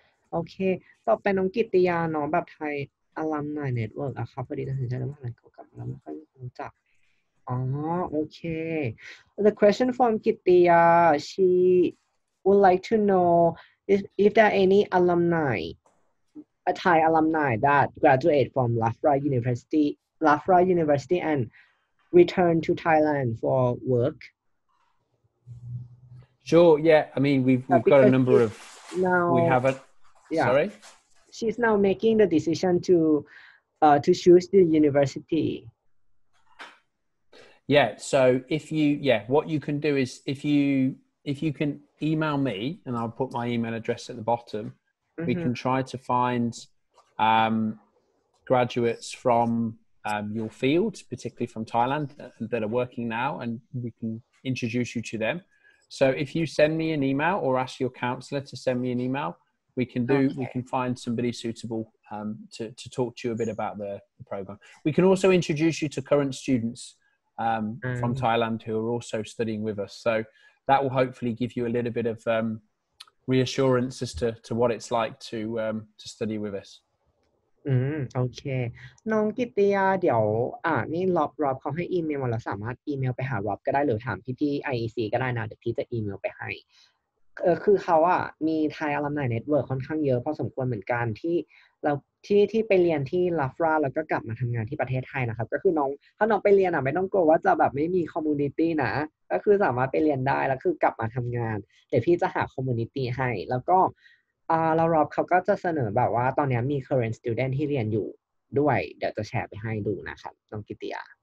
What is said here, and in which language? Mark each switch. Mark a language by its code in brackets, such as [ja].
[th] โอเคต่อไปน้องกิติยาเนาะแบบไทยอลัมไนเน็ตเวิร์กอะครับพอดีตัดสินใจแล้วว่าอะไรเกี่ยวกับแล้วไม่ค่อยรู้จักอ๋อโอเค [en] the question from กิติยา she would like to know if there are any alumni a Thai alumni that graduate from Loughborough University and return to Thailand for work sure yeah I mean we've got a number of now, we haven'tYeah. Sorry? She's now making the decision to choose the university. Yeah, so what you can do is if you can email me, and I'll put my email address at the bottom, we can try to find graduates from your field, particularly from Thailand, that are working now, and we can introduce you to them. So if you send me an email or ask your counselor to send me an email,We can find somebody suitable to talk to you a bit about the program. We can also introduce you to current students from Thailand who are also studying with us. So that will hopefully give you a little bit of reassurance as to what it's like to study with us. Okay. [th] น้องกิติยาเดี๋ยวนี่รอบเขาให้อีเมลมาเราสามารถอีเมลไปหารอบก็ได้หรือถามพี่ IEC ก็ได้นะเดี๋ยวพี่จะอีเมลไปให้คือเขาอ่ะมี Thai Alumni Network ค่อนข้างเยอะพอสมควรเหมือนกันที่เรา ที่ไปเรียนที่ลาฟราแล้วก็กลับมาทำงานที่ประเทศไทยนะครับก็คือน้องถ้าน้องไปเรียนอ่ะไม่ต้องกลัวว่าจะแบบไม่มีคอมมูนิตี้นะก็คือสามารถไปเรียนได้แล้วคือกลับมาทำงานเดี๋ยวพี่จะหาคอมมูนิตี้ให้แล้วก็รอบเขาก็จะเสนอแบบว่าตอนนี้มี current student ที่เรียนอยู่ด้วยเดี๋ยวจะแชร์ไปให้ดูนะครับน้องกิติยา